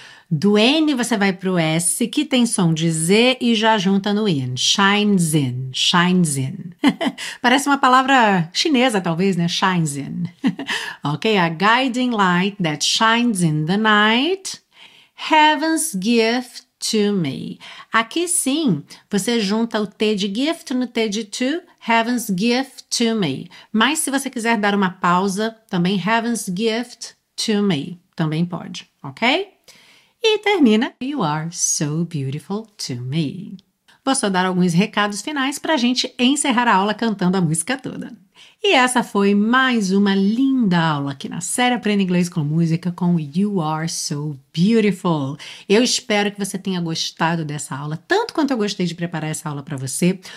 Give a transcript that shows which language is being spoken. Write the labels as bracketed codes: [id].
[pt] Do N você vai pro S, que tem som de Z e já junta no in. [en] Shines in, shines in. [pt] Parece uma palavra chinesa, talvez, né? [en] Shines in. Ok, a guiding light that shines in the night. Heaven's gift to me. [pt] Aqui sim, você junta o T de gift no T de to. [en] Heaven's gift to me. [pt] Mas se você quiser dar uma pausa, também [en] heaven's gift to me. [pt] Também pode, ok? E termina, [en] you are so beautiful to me. [pt] Vou só dar alguns recados finais para a gente encerrar a aula cantando a música toda. E essa foi mais uma linda aula aqui na série Aprenda Inglês com Música com You Are So Beautiful. Eu espero que você tenha gostado dessa aula, tanto quanto eu gostei de preparar essa aula para você.